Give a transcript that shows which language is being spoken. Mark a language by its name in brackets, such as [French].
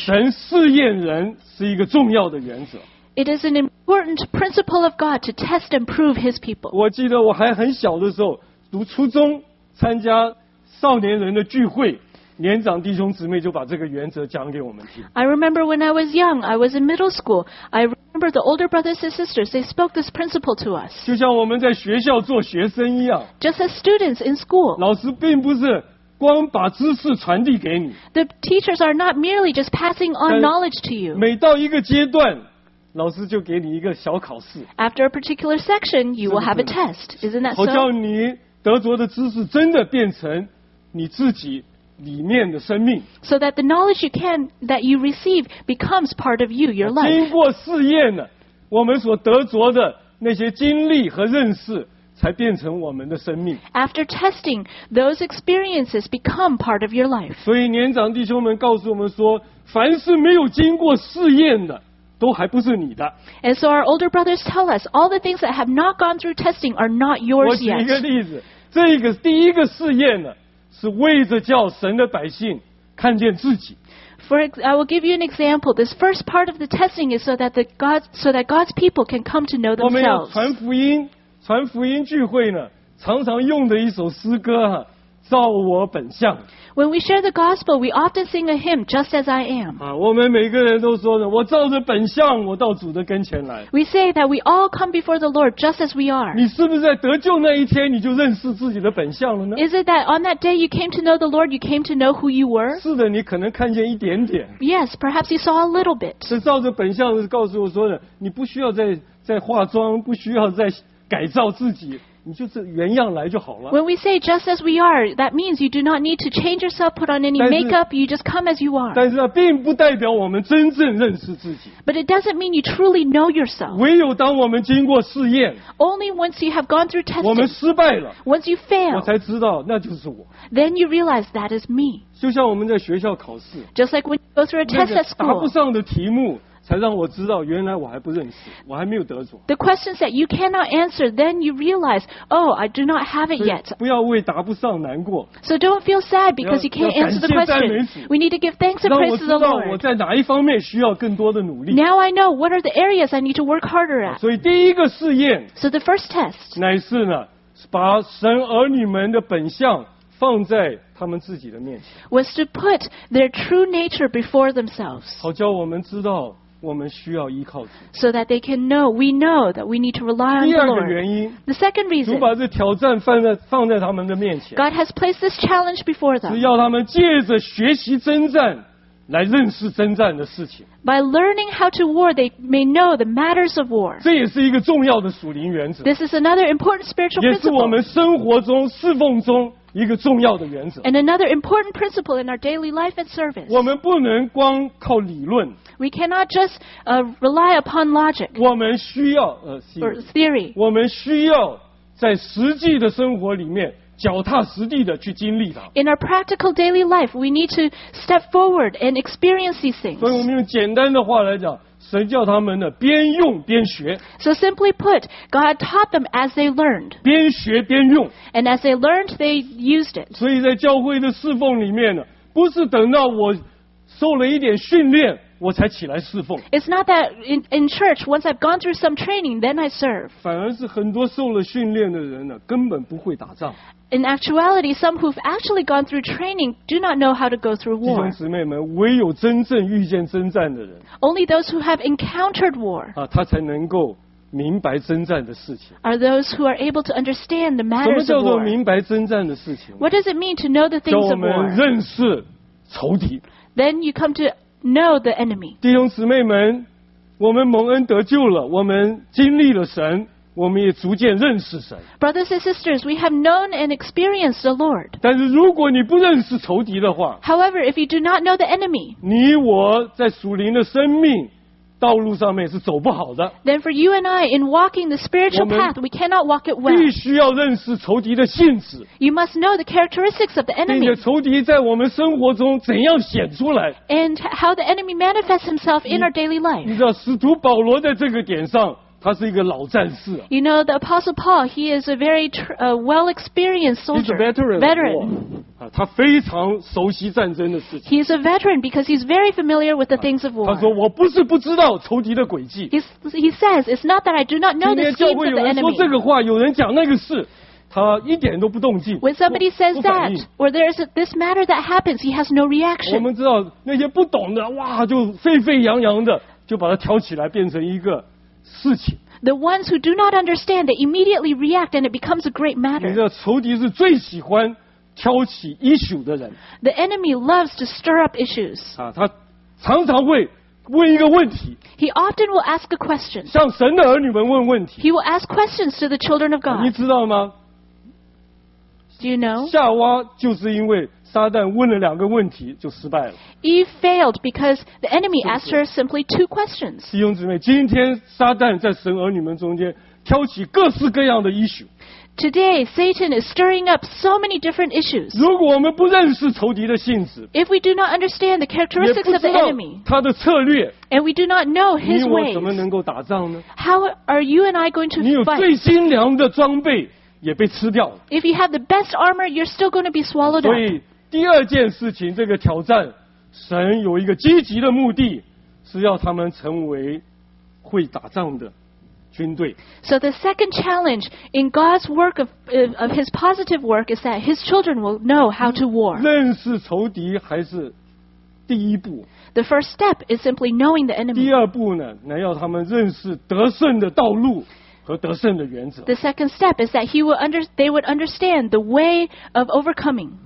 [Chinese] 神试验人是一个重要的原则。 [English] It is an important principle of God to test and prove His people. [Chinese] 我记得我还很小的时候，读初中，参加少年人的聚会，年长弟兄姊妹就把这个原则讲给我们听。 [English] I remember when I was young, I was in middle school, I remember the older brothers and sisters, they spoke this principle to us. [Chinese] 就像我们在学校做学生一样。 [English] Just as students in school. [Chinese] 老师并不是光把知识传递给你。 [English] The teachers are not merely just passing on knowledge to you. [Chinese] 每到一个阶段，老师就给你一个小考试。 [English] After a particular section, you will have a test. Isn't that so? [Chinese] 好叫你得着的知识真的变成你自己里面的生命。 [English] So that the knowledge that you receive becomes part of you, your life. [Chinese] 经过试验了，我们所得着的那些经历和认识才变成我们的生命。 [English] After testing, those experiences become part of your life. [Chinese] 所以年长弟兄们告诉我们说，凡是没有经过试验的，都还不是你的。 [English] And so our older brothers tell us, all the things that have not gone through testing are not yours yet. [Chinese] 我举一个例子，这个第一个试验呢，是为着叫神的百姓看见自己。 [English] I will give you an example. This first part of the testing is so that God's people can come to know themselves. [Chinese] 我们要传福音。传福音聚会呢，常常用的一首诗歌哈，照我本相。 [English] When we share the gospel, we often sing a hymn, Just as I Am. [Chinese] 啊，我们每个人都说呢，我照着本相，我到主的跟前来。 [English] We say that we all come before the Lord just as we are. [Chinese] 你是不是在得救那一天你就认识自己的本相了呢？ [English] Is it that on that day you came to know the Lord, you came to know who you were? [Chinese] 是的，你可能看见一点点。 [English] Yes, perhaps you saw a little bit. [Chinese] 是照着本相告诉我说呢，你不需要再化妆，不需要再改造自己，你就是原样来就好了。 [English] When we say just as we are, that means you do not need to change yourself, put on any makeup. You just come as you are. [Chinese] 但是那并不代表我们真正认识自己。 [English] But it doesn't mean you truly know yourself. [Chinese] 唯有当我们经过试验 [English] ，Only once you have gone through testing. [Chinese] 我们失败了 [English] ，Once you fail. [Chinese] 我才知道那就是我。 [English] Then you realize that is me. [Chinese] 就像我们在学校考试 [English] ，Just like when you go through a test at school. [Chinese] 那个答不上的题目。才让我知道，原来我还不认识，我还没有得着。 [English] The questions that you cannot answer, then you realize, oh, I do not have it yet. [Chinese] 不要为答不上难过。 [English] So don't feel sad because you can't answer the question. We need to give thanks and praise to the Lord. [Chinese] 让我知道我在哪一方面需要更多的努力。 [English] Now I know what are the areas I need to work harder at. [Chinese] 所以第一个试验。 [English] So the first test. [Chinese] 乃是呢，把神儿女们的本相放在他们自己的面前。 [English] Was to put their true nature before themselves. [Chinese] 好叫我们知道。我们需要依靠主。 [English] So that they can know, we know that we need to rely on the Lord. [Chinese] 第二个原因。 [English] The second reason. [Chinese] 主把这挑战放在他们的面前。 [English] God has placed this challenge before them. [Chinese] 是要他们借着学习征战来认识征战的事情。 [English] By learning how to war, they may know the matters of war. [Chinese] 这也是一个重要的属灵原则。 [English] This is another important spiritual principle. [Chinese] 也是我们生活中侍奉中一个重要的原则。 [English] And another important principle in our daily life and service. [Chinese] 我们不能光靠理论。 [English] We cannot just rely upon logic. [Chinese] 我们需要theory. 我们需要在实际的生活里面脚踏实地的去经历它。 [English] In our practical daily life, we need to step forward and experience these things. [Chinese] 所以我们用简单的话来讲，神叫他们呢边用边学。 [English] So simply put, God taught them as they learned. [Chinese] 边学边用。 [English] And as they learned, they used it. [Chinese] 所以在教会的侍奉里面呢，不是等到我受了一点训练我才起来侍奉。 [English] It's not that in church, once I've gone through some training, then I serve. [Chinese] 反而是很多受了训练的人呢，根本不会打仗。 [English] In actuality, some who've actually gone through training do not know how to go through war. [Chinese] 弟兄姊妹们，唯有真正遇见征战的人 [English] ，Only those who have encountered war [Chinese] 啊，他才能够明白征战的事情。 [English] Are those who are able to understand the matters of war? [Chinese] 什么叫做明白征战的事情 [English] ？What does it mean to know the things of war? [Chinese] 叫我们认识仇敌。 [English] Then you come to know the enemy. [Chinese] 弟兄姊妹们，我们蒙恩得救了，我们经历了神。我们也逐渐认识神。 [English] Brothers and sisters, we have known and experienced the Lord. [Chinese] 但是如果你不认识仇敌的话 [English] ，However, if you do not know the enemy, [Chinese] 你我在属灵的生命道路上面是走不好的。 [English] Then for you and I, in walking the spiritual path, we cannot walk it well. [Chinese] 必须要认识仇敌的性质。 [English] You must know the characteristics of the enemy. [Chinese] 并且仇敌在我们生活中怎样显出来 [English] ？And how the enemy manifests himself in our daily life. [Chinese] 你知道使徒保罗在这个点上。他是一个老战士、啊。 [English] You know the Apostle Paul, he is a very well experienced soldier. He's a veteran. [Chinese] 他非常熟悉战争的事情。 [English] He is a veteran because he's very familiar with the things of war. [Chinese] 他说我不是不知道仇敌的诡计。 [English] He says it's not that I do not know the schemes of the enemy. [Chinese] 今天教会有人说这个话，有人讲那个事，他一点都不动静。 [English] When somebody says that, or there's this matter that happens, he has no reaction. [Chinese] 我们知道那些不懂的，哇，就沸沸扬扬的，就把他挑起来变成一个。 [English] The ones who do not understand, they immediately react and it becomes a great matter. [Chinese] 你知道仇敌是最喜欢挑起 issue 的人。 [English] The enemy loves to stir up issues. [Chinese] 啊，他常常会问一个问题。 [English] He often will ask a question. [Chinese] 向神的儿女们问问题。 [English] He will ask questions to the children of God. [Chinese] 你知道吗？ [English] Do you know? [Chinese] 夏娃就是因为撒旦问了两个问题就失败了。 [English] Eve failed because the enemy asked her simply two questions. [Chinese] 弟兄姊妹，今天撒旦在神儿女们中间挑起各式各样的 issue。 [English] Today, Satan is stirring up so many different issues. [Chinese] 如果我们不认识仇敌的性质， [English] if we do not understand the characteristics of the enemy, [Chinese] 他的策略， [English] and we do not know his ways, [Chinese] 你我怎么能够打仗呢？ [English] How are you and I going to fight? [Chinese] 你有最精良的装备。也被吃掉了。 [English] If you have the best armor, you're still going to be swallowed up. [Chinese] 所以第二件事情，这个挑战，神有一个积极的目的，是要他们成为会打仗的军队。 [English] So the second challenge in God's work of His positive work is that His children will know how to war. [Chinese] 认识仇敌还是第一步。 [English] The first step is simply knowing the enemy. [Chinese] 第二步呢，能要他们认识得胜的道路。和得胜的原则。 [English] The second step is that they would understand the way of overcoming.